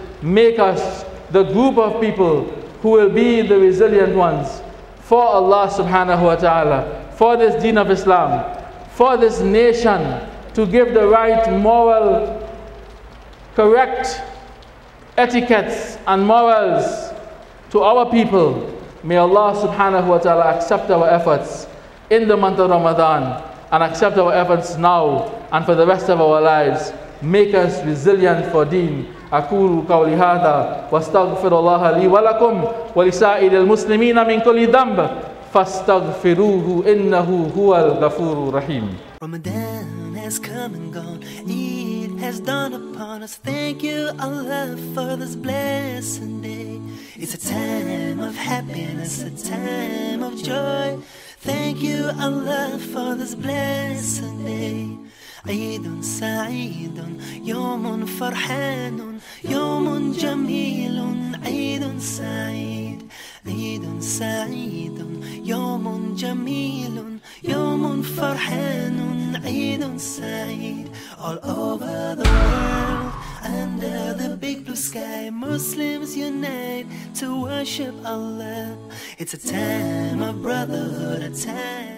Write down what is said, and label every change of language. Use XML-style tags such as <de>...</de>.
<en>make us the group of people who will be the resilient ones for Allah subhanahu wa ta'ala, for this deen of Islam, for this nation, to give the right moral, correct etiquettes and morals to our people. May Allah subhanahu wa ta'ala accept our efforts in the month of Ramadan and accept our efforts now and for the rest of our lives. Make us resilient for deen.</en> <ar>أقول قولي هذا واستغفر الله لي ولكم ولسائر المسلمين من كل ذنب فاستغفروه إنه هو الغفور الرحيم.</ar> <en>Ramadan has come and gone, Eid has dawned upon us. Thank you Allah for this blessing day. It's a time of happiness, a time of joy. Thank you Allah for this blessing day.</en> <ar>عيد سعيد يوم فرحان يوم جميل عيد سعيد عيد سعيد يوم جميل يوم فرحان عيد سعيد.</ar> <en>All over the world, under the big blue sky, Muslims unite to worship Allah. It's a time of brotherhood, a time</en>